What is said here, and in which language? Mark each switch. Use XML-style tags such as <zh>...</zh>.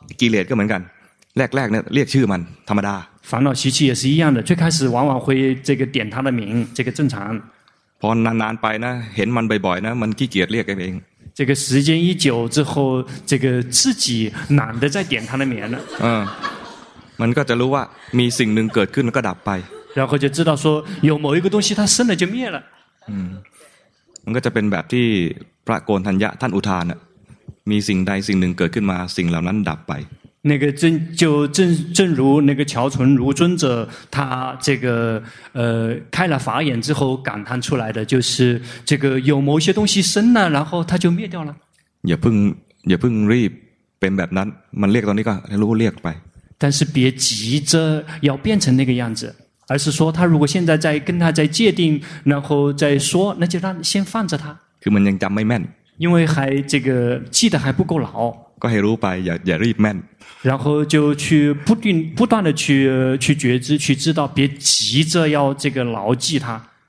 <th>กิเลสก็เหมือนกันแรกๆเนี่ยเรียกชื่อมันธรรมดา</th> <zh>烦恼习气也是一样的最开始往往会这个点他的名这个正常</zh> <th>พอนานๆไปนะเห็นมันบ่อยๆนะมันขี้เกียจเรียกเอง</th> <zh>这个时间一久之后这个自己懒得再点他的名了</zh> <th>มันก็จะรู้ว่ามีสิ่งหนึ่งเกิดขึ้นแล้วก็ดับไป</th> <zh>然后就知道说有某一个东西它生了就灭了</zh> <th>มันก็จะเป็นแบบที่พระโกณฑัญญะท่านอุทานน่ะมีสิ่งใดสิ่งหนึ่งเกิดขึ้นมาสิ่งเหล่านั้นดับไป</th> <zh>那个正如那个乔纯如尊者他这个开了法眼之后感叹出来的就是这个有某些东西生了然后他就灭掉了</zh> <th>อย่าเพิ่งรีบเป็นแบบนั้นมันเรียกตอนนี้ก็รู้เรียกไป</th> <zh>但是别急着要变成那个样子而是说他如果现在在跟他在界定然后再说那就让先放着他</zh> <th>คือมันยังจำไม่แม่น</th> <zh>因为还这个记得还不够牢</zh> <th>ก็ให้รู้ไปอย่ารีบแม่น</th> <zh>然后就去不断的去觉知去知道别急着要这个牢记它</zh>